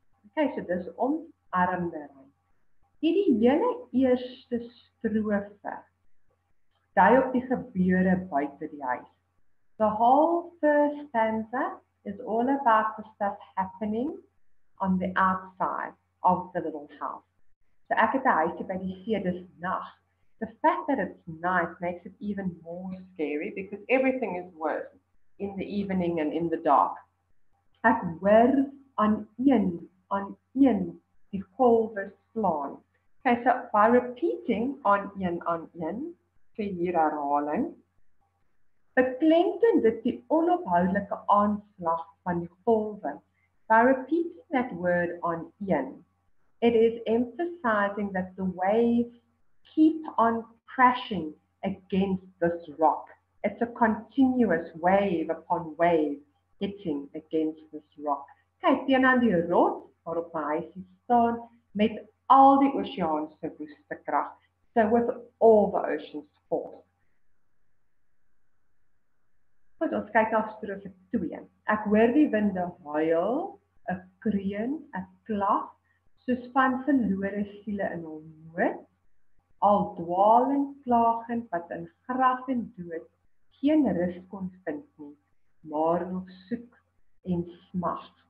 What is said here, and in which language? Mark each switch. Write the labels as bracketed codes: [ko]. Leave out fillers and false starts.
[af] Okay, so dis omarmde rym. Hierdie hele eerste strofe dui op die gebeure buite die huis. [en] The whole first stanza is all about the stuff happening on the outside of the little house. [af] So ek het 'n huisie by die see, dis nag. [en] The fact that it's night makes it even more scary because everything is worse in the evening and in the dark. [af] Ek hoor aan een die golwe slaan. Okay, so by repeating aan een, vir hier herhaling, beklemtoon dit die onophoudelike aanslag van die golwe. [en] By repeating that word on ian, it is emphasizing that the waves keep on crashing against this rock. It's a continuous wave upon wave hitting against this rock. [af] Kyk, teen aan die rots waarop my huisie staan met al die oseaan se woeste krag. [en] So with all the ocean's force. [af] Goed, ons kyk na strofe 2. Ek hoor die winde huil, 'n kreun, 'n klag, soos van verlore siele in hul nood. Al dwalend klagend wat in graf en dood geen rus kon vind nie, maar nog soek en smag.